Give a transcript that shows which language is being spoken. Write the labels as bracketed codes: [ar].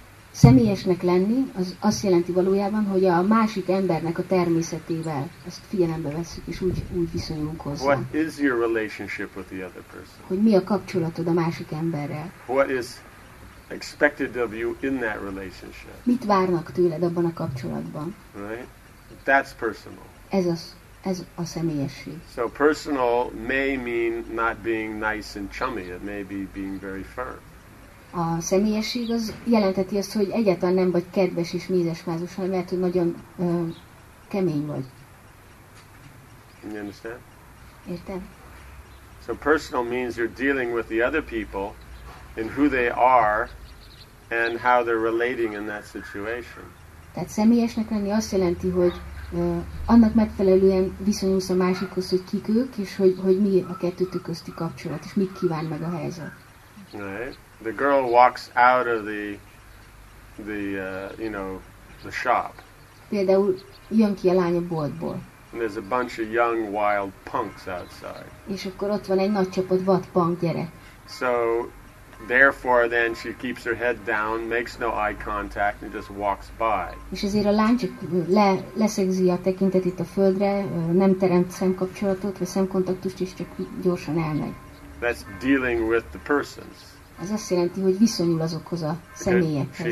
[hu] Személyesnek lenni, az azt jelenti valójában, hogy a másik embernek a természetével ezt figyelembe veszük, és úgy viszonyulunk hozzá. [en] What is your relationship with the other person? [hu] Hogy mi a kapcsolatod a másik emberrel? [en] What is expected of you in that relationship? [hu] Mit várnak tőled abban a kapcsolatban? [en] Right? That's personal. [hu] Ez a személyesség. [en] So personal may mean not being nice and chummy. It may be being very firm. [hu] A személyesség az jelenteti azt, hogy egyáltalán nem vagy kedves és mézesmázos, hanem lehet, hogy nagyon kemény vagy. [en] You understand? [hu] Értem. [en] So personal means you're dealing with the other people and who they are and how they're relating in that situation. [hu] Tehát személyesnek lenni azt jelenti, hogy annak megfelelően viszonyulsz a másikhoz, hogy kik ők, és hogy mi a kettőtök közti kapcsolat, és mit kíván meg a helyzet. [en] Right. The girl walks out of the shop. [hu] Például jön ki a lány a boltból. [en] And there's a bunch of young wild punks outside. [hu] És akkor ott van egy nagy csapat vad punk gyerek. [en] So therefore then she keeps her head down, makes no eye contact and just walks by. [hu] És ezért a lány csak leszegzi a tekintetét a földre, nem teremt szemkapcsolatot vagy szemkontaktust, és csak gyorsan elmegy. [en] That's dealing with the persons. [hu] Ez azt jelenti, hogy viszonyul azokhoz a személyekhez.